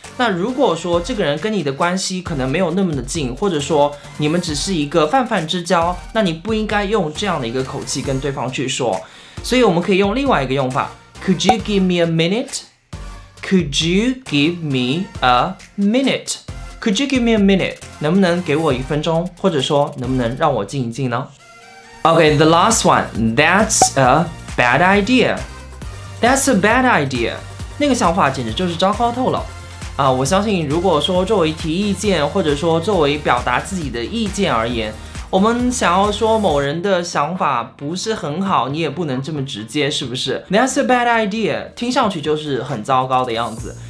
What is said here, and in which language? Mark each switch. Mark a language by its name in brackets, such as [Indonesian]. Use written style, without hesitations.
[Chinese] 那如果说这个人跟你的关系可能没有那么的近，或者说你们只是一个泛泛之交，那你不应该用这样的一个口气跟对方去说。所以我们可以用另外一个用法， [English] Could you give me a minute? Could you give me a minute? Could you give me a minute? [Chinese] 能不能给我一分钟，或者说能不能让我静一静呢？ [English] OK, the last one, that's a bad idea. That's a bad idea. [Chinese] 那个想法简直就是糟糕透了。我相信如果说作为提意见，或者说作为表达自己的意见而言，我们想要说某人的想法不是很好，你也不能这么直接，是不是？ [English] That's a bad idea， [Chinese] 听上去就是很糟糕的样子。